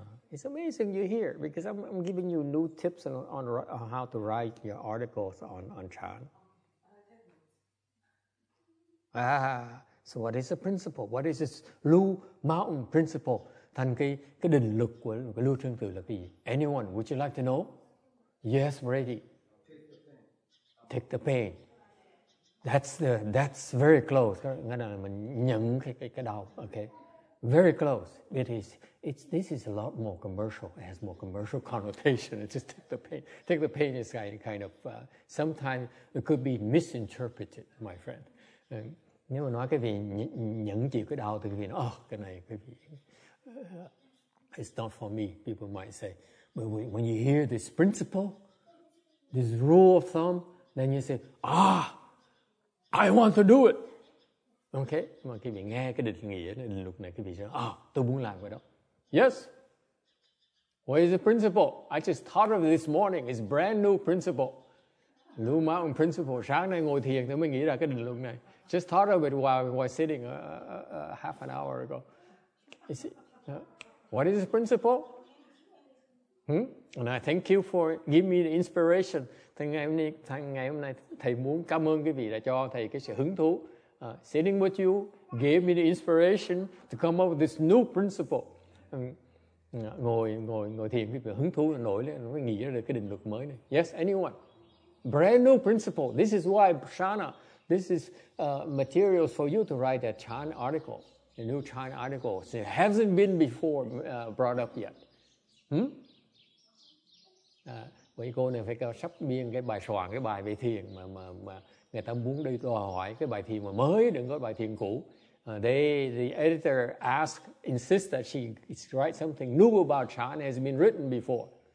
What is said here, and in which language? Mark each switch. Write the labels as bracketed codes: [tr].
[en] It's amazing you're here because I'm giving you new tips on how to write your articles on chan. So what is the principle? What is this Lu Mountain principle? [vi] Thành cái định luật của Lưu Trương Tự là cái gì? [en] Anyone, would you like to know? Yes, ready. Take the pain. That's very close. [vi] Nghĩa là mình nhận cái đau, okay? [en] Very close. This is a lot more commercial. It has more commercial connotation. It's just take the pain. Take the pain is kind of sometimes it could be misinterpreted, my friend. [vi] Nếu mà nói cái vị nhận chịu cái đau thì cái vị nói, cái này cái vị [en] it's not for me, people might say. But when you hear this principle, this rule of thumb, then you say, I want to do it. Okay? [vi] Mà khi mình nghe cái định nghĩa, cái định luật này, cái vị sẽ, tôi muốn làm cái đó. [en] Yes. What is the principle? I just thought of it this morning. It's brand new principle. New Mountain principle. [vi] Sáng nay ngồi thiền, tôi mới nghĩ ra cái định luật này. [en] Just thought of it while sitting half an hour ago. You see? What is the principle? And I thank you for giving me the inspiration. [vi] Thầy ngày hôm nay thầy muốn cảm ơn quý vị đã cho thầy cái sự hứng thú. [en] Sitting with you gave me the inspiration to come up with this new principle. [vi] Ngồi thiền quý vị hứng thú nổi lên, nó nghĩ ra được cái định luật mới này. [en] Yes, anyone? Brand new principle. This is why Shana. This is materials for you to write a Chan article. A new China article. So it hasn't been before brought up yet. [vi] Vậy cô này phải sắp biên cái bài soạn cái bài về thiền mà người ta muốn đi đòi hỏi cái bài thiền mà mới, đừng có bài thiền cũ. [en] The editor insists that she write something new about China has been written before.